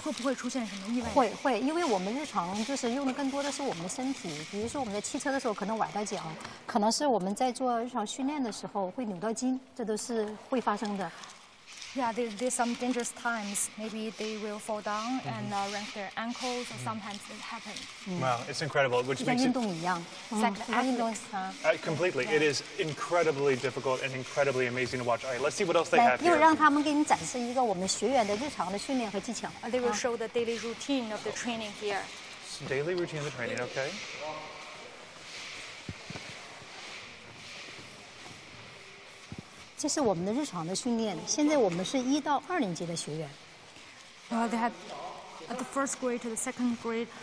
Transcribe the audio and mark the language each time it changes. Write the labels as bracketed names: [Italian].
[Chinese] 会不会出现什么意外？会，因为我们日常就是用的更多的是我们的身体，比如说我们在骑车的时候可能崴到脚，可能是我们在做日常训练的时候会扭到筋，这都是会发生的。 [English] Yeah, there's some dangerous times. Maybe they will fall down and wrench their ankles, or sometimes it happens. Wow, it's incredible. Which makes it like athletes. Completely. Yeah. It is incredibly difficult and incredibly amazing to watch. All right, let's see what else they have here. [Chinese] 又让他们给你展示一个我们学员的日常的训练和技巧。 [English] They will show the daily routine of the training here. So daily routine of the training, okay. This is our daily training. Now we are [Chinese] 1-2年级的学员. [English] They have the first grade to the second grade.